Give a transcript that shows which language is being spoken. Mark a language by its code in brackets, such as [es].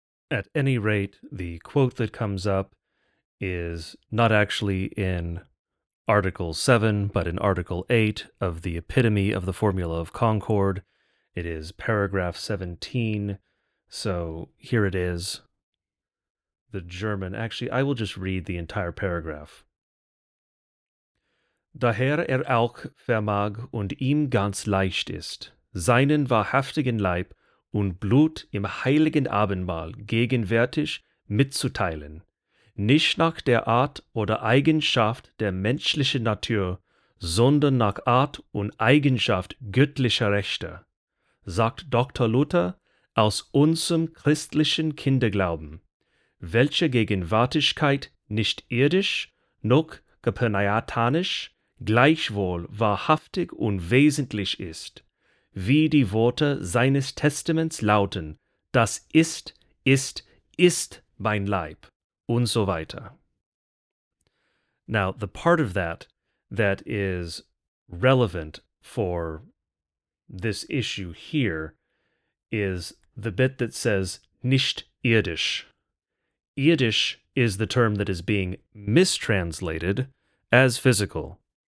[en] At any rate, the quote that comes up is not actually in Article 7, but in Article 8 of the Epitome of the Formula of Concord. It is paragraph 17, so here it is. The German, actually, I will just read the entire paragraph. [de] Daher auch vermag und ihm ganz leicht ist, seinen wahrhaftigen Leib und Blut im heiligen Abendmahl gegenwärtig mitzuteilen, nicht nach der Art oder Eigenschaft der menschlichen Natur, sondern nach Art und Eigenschaft göttlicher Rechte, sagt Dr. Luther aus unserem christlichen Kinderglauben, welche Gegenwärtigkeit nicht irdisch noch köpernikanisch gleichwohl wahrhaftig und wesentlich ist, wie die Worte seines Testaments lauten, das ist, ist, ist mein Leib, und so weiter. [en] Now, the part of that that is relevant for this issue here is the bit that says [de] nicht irdisch. [en] Irdisch is the term that is being mistranslated as physical.